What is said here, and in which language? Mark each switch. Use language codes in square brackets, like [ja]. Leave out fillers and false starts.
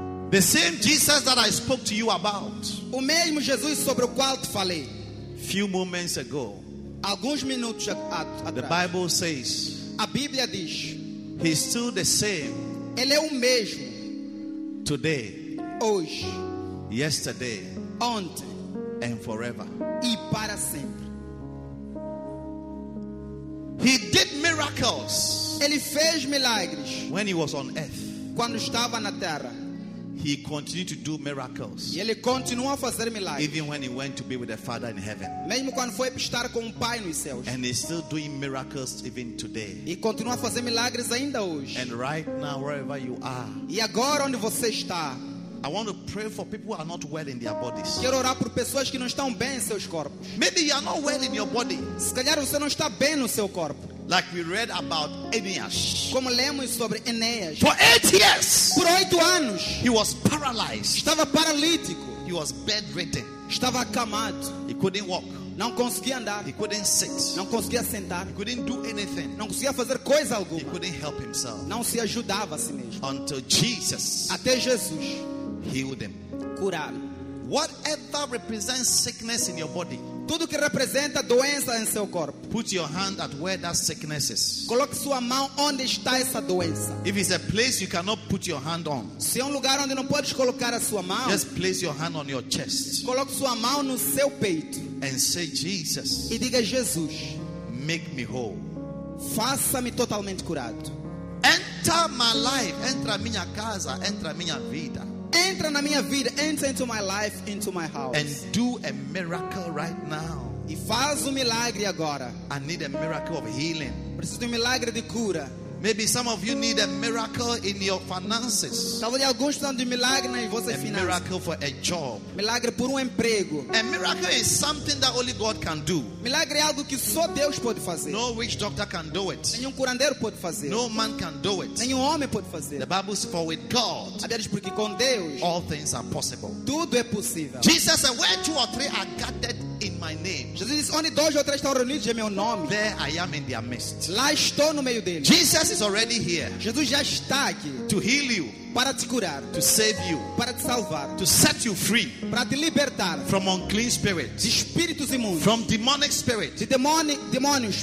[en] The same Jesus that I spoke to you about. [pt] O mesmo Jesus sobre o qual te falei. [en] Few moments ago. [pt] Alguns minutos atrás. [en] The Bible says. [pt] A Bíblia diz. [en] He's still the same. [pt] Ele é o mesmo. [en] Today. [pt] Hoje. [en] Yesterday. [pt] Ontem. [en] And forever. [pt] E para sempre. [en] did miracles. [pt] Ele fez milagres. [en] When he was on earth. [pt] Quando estava na terra. [en] He continued to do miracles. [pt] E ele continuou a fazer milagres. [en] Even when he went to be with the Father in heaven. [pt] Mesmo quando foi estar com o Pai nos céus. [en] And he's still doing miracles even today. [pt] E continua a fazer milagres ainda hoje. [en] And right now wherever you are. [pt] E agora onde você está? [en] I want to pray for people who are not well in their bodies. [pt] Quero orar por pessoas que não estão bem em seus corpos. [en] Maybe you are not well in your body. [pt] Se calhar você não está bem no seu corpo. [en] Like we read about Eneas. [pt] Como lemos sobre Eneas. [en] For 8 years. [pt] Por 8 anos. [en] He was paralyzed. [pt] Estava paralítico. [en] He was bedridden. [pt] Estava acamado. [en] He couldn't walk. [pt] Não conseguia andar. [en] He couldn't sit. [pt] Não conseguia sentar. [en] He couldn't do anything. [pt] Não conseguia fazer coisa alguma. [en] He couldn't help himself. [pt] Não se ajudava a si mesmo. [en] Until Jesus. [pt] Até Jesus. [en] Heal them. [pt] Curá-lo. [en] Whatever represents sickness in your body. [pt] Tudo que representa doença em seu corpo. [en] Put your hand at where that sickness is. [pt] Coloque sua mão onde está essa doença. [en] If it's a place you cannot put your hand on. [pt] Se é lugar onde não pode colocar a sua mão. [en] Just place your hand on your chest. [pt] Coloque sua mão no seu peito. [en] And say Jesus. [pt] E diga Jesus. [en] Make me whole. [pt] Faça-me totalmente curado. [en] Enter my life. [pt] Entra minha casa. Entra minha vida. Entra na minha vida, [en] enter into my life, into my house. And do a miracle right now. [pt] E faz milagre agora. [en] I need a miracle of healing. [pt] Preciso de milagre de cura. [en] Maybe some of you need a miracle in your finances. [pt] Talvez alguns tenham de milagre nas vossas finanças. [en] A miracle for a job. [pt] Milagre por emprego. [en] A miracle is something that only God can do. [pt] Milagre é algo que só Deus pode fazer. [en] No witch doctor can do it. [pt] Nenhum curandeiro pode fazer. [en] No man can do it. [pt] Nenhum homem pode fazer. [en] The Bible says for with God. [pt] A Bíblia diz porque com Deus. [en] All things are possible. [pt] Tudo é possível. [en] Jesus said, "Where 2 or 3 are gathered in my name." [pt] Jesus disse, onde 2 ou 3 estão reunidos em meu nome. [en] There I am in their midst. [pt] Lá estou no meio deles. [en] Jesus is already here. [pt] Jesus já está aqui. [en] To heal you. [pt] Para te curar. [en] To save you. [pt] Para te salvar. [en] To set you free. [pt] Para te libertar. [en] From unclean spirits. [pt] De espíritos imundos. [en] From demonic spirits. [pt] De demônios.